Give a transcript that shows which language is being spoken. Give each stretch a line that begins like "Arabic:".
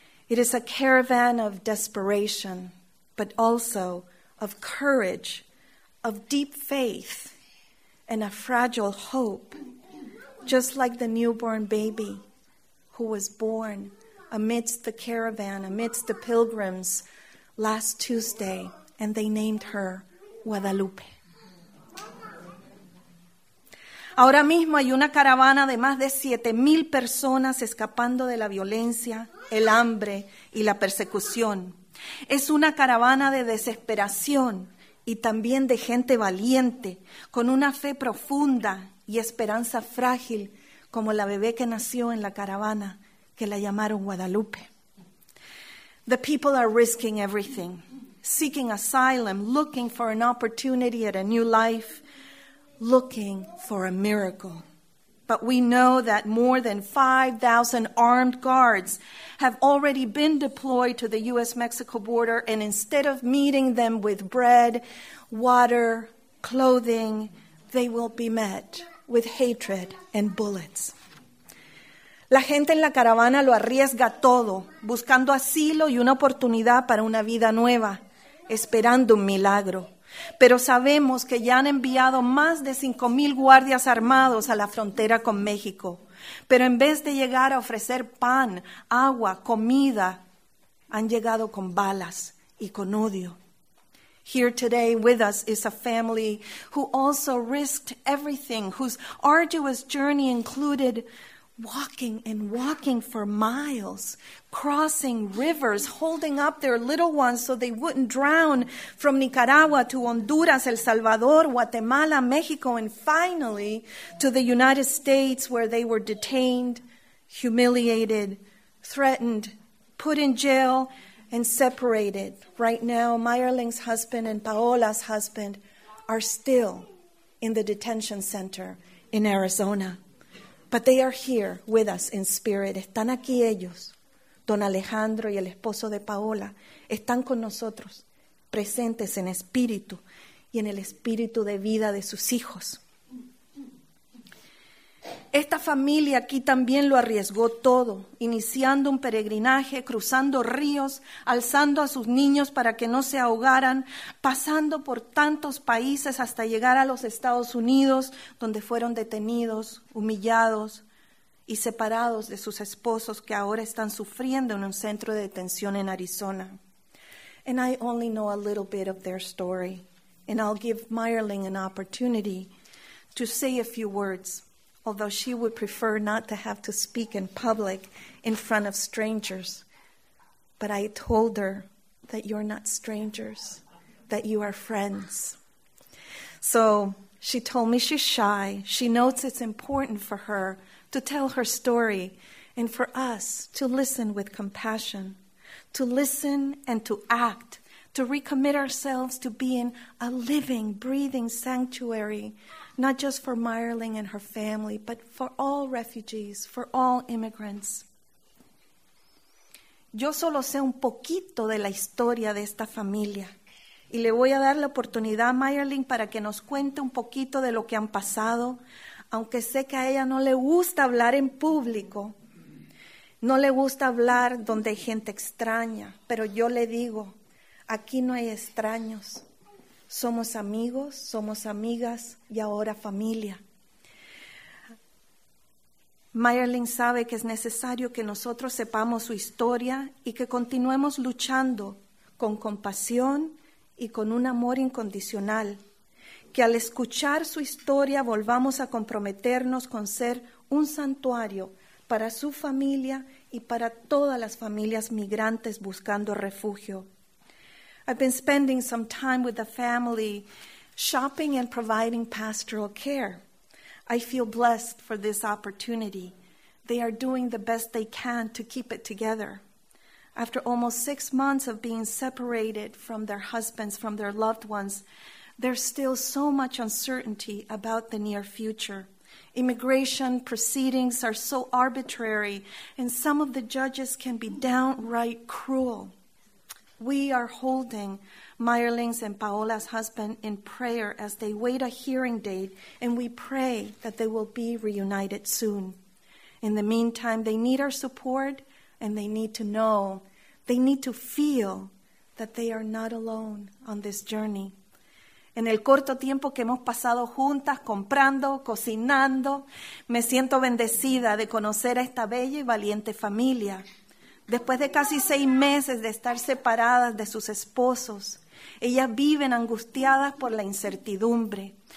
English: It is a caravan of desperation, but also of courage, of deep faith, and a fragile hope, just like the newborn baby who was born amidst the caravan, amidst the pilgrims, last Tuesday, and they named her Guadalupe.
Spanish: Ahora mismo hay una caravana de más de 7,000 personas escapando de la violencia, el hambre y la persecución. Es una caravana de desesperación y también de gente valiente, con una fe profunda y esperanza frágil, como la bebé que nació en la caravana, que la llamaron Guadalupe.
English: The people are risking everything, seeking asylum, looking for an opportunity at a new life, looking for a miracle. But we know that more than 5,000 armed guards have already been deployed to the U.S.-Mexico border, and instead of meeting them with bread, water, clothing, they will be met with hatred and bullets.
Spanish: La gente en la caravana lo arriesga todo, buscando asilo y una oportunidad para una vida nueva, esperando un milagro. Pero sabemos que ya han enviado más de 5,000 guardias armados a la frontera con México. Pero en vez de llegar a ofrecer pan, agua, comida, han llegado con balas y con odio.
English: Here today with us is a family who also risked everything, whose arduous journey included walking and walking for miles, crossing rivers, holding up their little ones so they wouldn't drown, from Nicaragua to Honduras, El Salvador, Guatemala, Mexico, and finally to the United States, where they were detained, humiliated, threatened, put in jail, and separated. Right now, Meyer Ling's husband and Paola's husband are still in the detention center in Arizona. But they are here with us in spirit.
Spanish: Están aquí ellos. Don Alejandro y el esposo de Paola están con nosotros, presentes en espíritu y en el espíritu de vida de sus hijos. Esta familia aquí también lo arriesgó todo, iniciando un peregrinaje, cruzando ríos, alzando a sus niños para que no se ahogaran, pasando por tantos países hasta llegar a los Estados Unidos, donde fueron detenidos, humillados y separados de sus esposos que ahora están sufriendo en un centro de detención en Arizona.
English: And I only know a little bit of their story, and I'll give Meyer Ling an opportunity to say a few words although she would prefer not to have to speak in public in front of strangers. But I told her that you're not strangers, that you are friends. So she told me she's shy. She notes it's important for her to tell her story and for us to listen with compassion, to listen and to act, to recommit ourselves to being a living, breathing sanctuary, not just for Meyerling and her family, but for all refugees, for all immigrants.
Spanish: Yo solo sé un poquito de la historia de esta familia. Y le voy a dar la oportunidad a Meyerling para que nos cuente un poquito de lo que han pasado, aunque sé que a ella no le gusta hablar en público. No le gusta hablar donde hay gente extraña, pero yo le digo, aquí no hay extraños. Somos amigos, somos amigas y ahora familia. Meyerling sabe que es necesario que nosotros sepamos su historia y que continuemos luchando con compasión y con un amor incondicional. Que al escuchar su historia volvamos a comprometernos con ser un santuario para su familia y para todas las familias migrantes buscando refugio.
English: I've been spending some time with the family shopping and providing pastoral care. I feel blessed for this opportunity. They are doing the best they can to keep it together. After almost 6 months of being separated from their husbands, from their loved ones, there's still so much uncertainty about the near future. Immigration proceedings are so arbitrary, and some of the judges can be downright cruel. We are holding Meyerling's and Paola's husband in prayer as they wait a hearing date, and we pray that they will be reunited soon. In the meantime, they need our support, and they need to know, they need to feel that they are not alone on this journey.
Spanish: En el corto tiempo que hemos pasado juntas, comprando, cocinando, me siento bendecida de conocer a esta bella y valiente familia. Después de casi 6 meses de estar separadas de sus esposos, ellas viven angustiadas por la incertidumbre.